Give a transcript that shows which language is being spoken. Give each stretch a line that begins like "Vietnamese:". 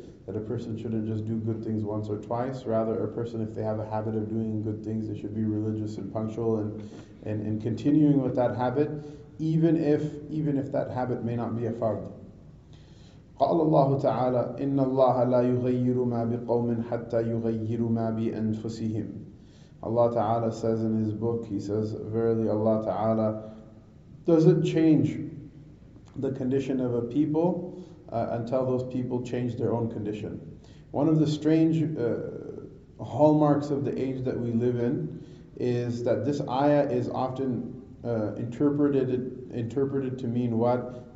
English: That a person shouldn't just do good things once or twice. Rather, a person, if they have a habit of doing good things, they should be religious and punctual and continuing with that habit, even if that habit may not be a fard.
Arabic: قال الله تعالى إن الله لا يغير ما بقوم حتى يغير ما بأنفسهم.
English: Allah Ta'ala says in his book, he says, verily Allah Ta'ala doesn't change the condition of a people until those people change their own condition. One of the strange hallmarks of the age that we live in is that this ayah is often interpreted to mean what?